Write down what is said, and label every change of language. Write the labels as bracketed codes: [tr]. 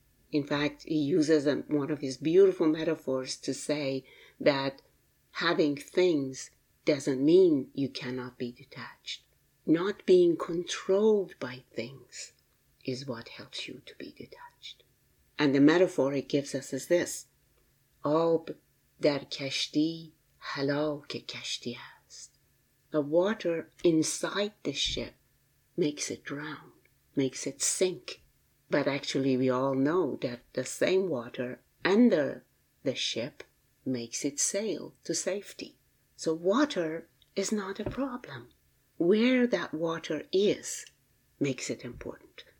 [en] In fact, he uses one of his beautiful metaphors to say that having things doesn't mean you cannot be detached. Not being controlled by things is what helps you to be detached. And the metaphor he gives us is this: [fa] آب در کشتی هلاک کشتی است. [en] The water inside the ship makes it drown, makes it sink. But actually, we all know that the same water under the ship makes it sail to safety. So water is not a problem. Where that water is makes it important.